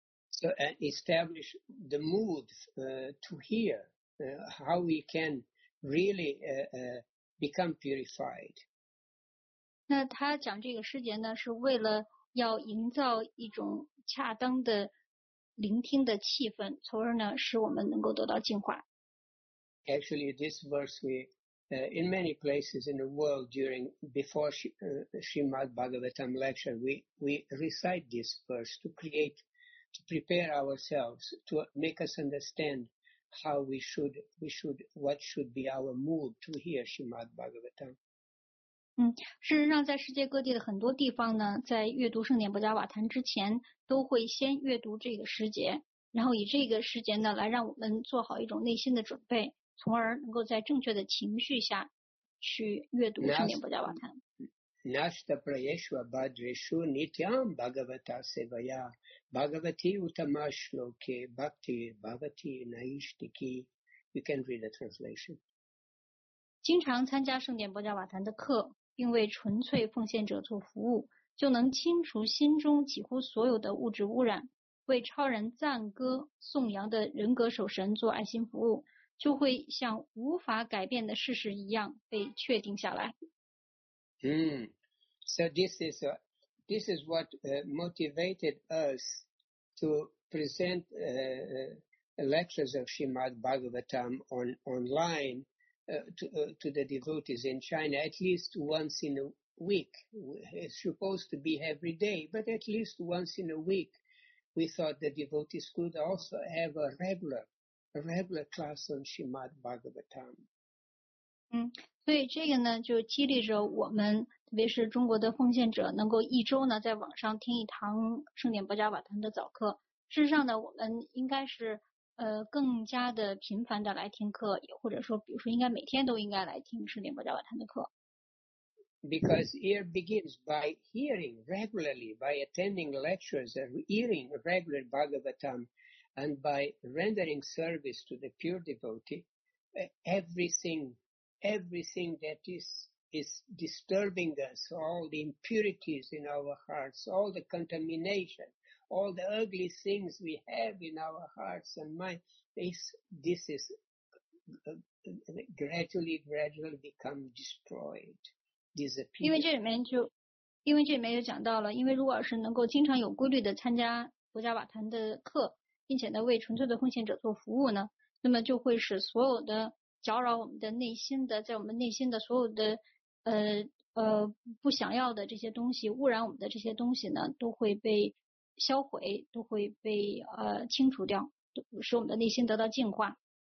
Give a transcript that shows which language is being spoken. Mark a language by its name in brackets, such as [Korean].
[English] So establish the mood to hear how we can. Really, become purified. [Chinese] 那他讲这个诗节呢，是为了要营造一种恰当的聆听的气氛，从而呢使我们能够得到净化。 [English] Actually, this verse we in many places in the world during before Srimad Bhagavatam lecture, we recite this verse to prepare ourselves to make us understand. How we should, what should be our mood to hear Srimad Bhagavatam? [Chinese] 事实上，在世界各地的很多地方呢，在阅读圣典波迦瓦坛之前，都会先阅读这个诗节，然后以这个诗节呢，来让我们做好一种内心的准备，从而能够在正确的情绪下去阅读圣典波迦瓦坛。 [Sanskrit] Nashta prayeshwa badreshu nityam bhagavata sevaya. Bhagavati Uttamashloke Bhakti Bhavati Naishtiki. [English] You can read the translation. [Chinese] 经常参加圣典波迦瓦坛的课，并为纯粹奉献者做服务，就能清除心中几乎所有的物质污染，为超人赞歌颂扬的人格守神做爱心服务，就会像无法改变的事实一样被确定下来。 [English] So this is what motivated us to present lectures of Srimad Bhagavatam online to the devotees in China at least once in a week. It's supposed to be every day, but at least once in a week, we thought the devotees could also have a regular class on Srimad Bhagavatam. [Chinese] 所以这个呢就激励着我们，特别是中国的奉献者，能够一周呢在网上听一堂圣典伯加瓦坦的早课。事实上呢，我们应该是更加的频繁的来听课，也或者说比如说应该每天都应该来听圣典伯加瓦坦的课。 [English] Because ear begins by hearing regularly, by attending lectures and hearing regular Bhagavatam, and by rendering service to the pure devotee, everything that is disturbing us, all the impurities in our hearts, all the contamination, all the ugly things we have in our hearts and minds, this is gradually become destroyed. [Chinese] 因为这里面就讲到了，因为如果是能够经常有规律的参加伯加瓦坦的课，并且呢为纯粹的奉献者做服务呢，那么就会使所有的搅扰我们的内心的，在我们内心的所有的不想要的这些东西，污染我们的这些东西呢，都会被销毁，都会被清除掉，使我们的内心得到净化。